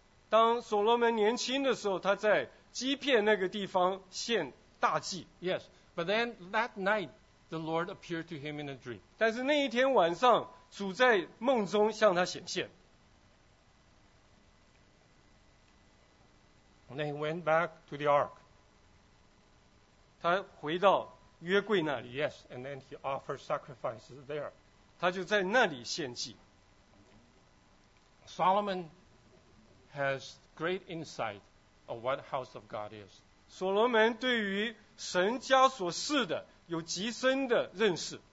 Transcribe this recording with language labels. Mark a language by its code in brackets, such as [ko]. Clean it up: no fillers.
[zh] 当所罗门年轻的时候，他在基遍那个地方献大祭。 [en] Yes, but then that night the Lord appeared to him in a dream. [zh] 但是那一天晚上，主在梦中向他显现。 [en] And then he went back to the ark. [zh] 他回到约柜那里。 [en] Yes, and then he offered sacrifices there. [zh] 他就在那里献祭。 [en] Solomon has great insight of what house of God is. [zh] 所罗门对于神家所事的有极深的认识。